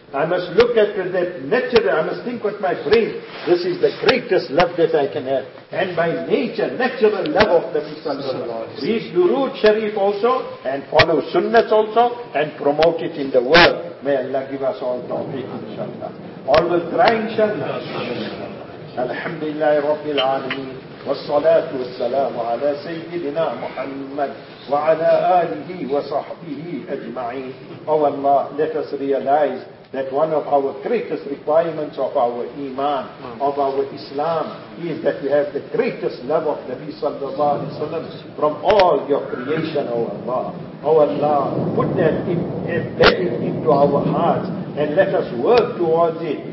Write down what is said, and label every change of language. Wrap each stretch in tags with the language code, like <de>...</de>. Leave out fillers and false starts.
<en>I must look at that nature. I must think with my brain, this is the greatest love that I can have. And by nature, natural love of Nabi sallallahu alayhi wa sallam. Read Durood Sharif also, and follow sunnahs also, and promote it in the world. May Allah give us all tawfiq, inshallah. All will try, inshallah. Alhamdulillah, Rabbil Alameen.</en> <ar>والصلاة والسلام على سيدنا محمد وعلى آله وصحبه أجمعين.</ar> <en>Oh Allah, let us realize that one of our greatest requirements of our Iman, of our Islam, is that we have the greatest love of Nabi sallallahu alayhi wa sallam from all your creation, oh Allah. Oh Allah, put that embedded into our hearts and let us work towards it.</en>